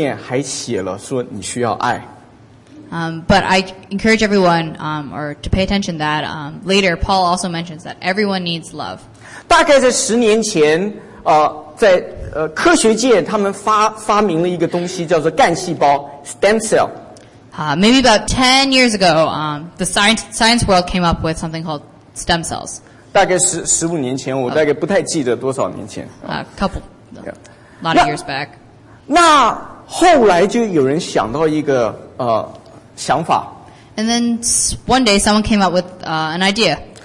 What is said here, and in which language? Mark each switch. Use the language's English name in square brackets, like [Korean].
[Chinese] 但是我要跟大家再请大家注意，但是保罗后面还写了说你需要爱。 [English] But I encourage everyone, or to pay attention that later Paul also mentions that everyone needs love. [Chinese] 大概在10年前， 在科学界，他们发明了一个东西，叫做干细胞 [English] stem cell. Maybe about 10 years ago, the science world came up with something called stem cells. [Chinese] 大概十五年前，我大概不太记得多少年前。 [English] A lot of years back. [Chinese] 那后来就有人想到一个想法。 [English] And then one day, someone came up with an idea.